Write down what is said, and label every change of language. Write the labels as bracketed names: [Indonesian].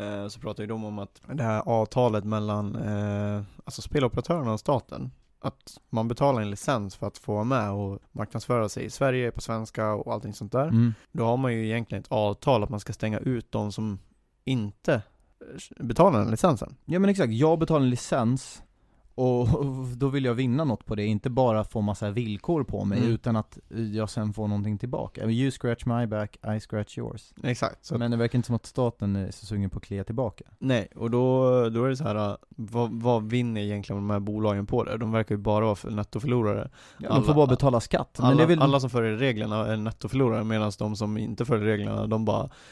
[Swedish] Så pratar ju de om att det här avtalet mellan alltså speloperatörerna och staten, att man betalar en licens för att få med och marknadsföra sig i Sverige på svenska och allting sånt där. Mm. Då har man ju egentligen ett avtal att man ska stänga ut de som inte betalar den licensen. Ja, men exakt. Jag betalar en licens, och då vill jag vinna något på det. Inte bara få massa villkor på mig, mm, utan att jag sen får någonting tillbaka. [English] You scratch my back, I scratch yours. [Swedish] Exakt. Så. Men det verkar inte som att staten är så sugen på att klia tillbaka. Nej, och då är det så här, vad vinner egentligen de här bolagen på det? De verkar ju bara vara nettoförlorare. Ja, alla, de får bara betala skatt. Men alla som följer reglerna är nettoförlorare, medan de som inte följer reglerna, de bara...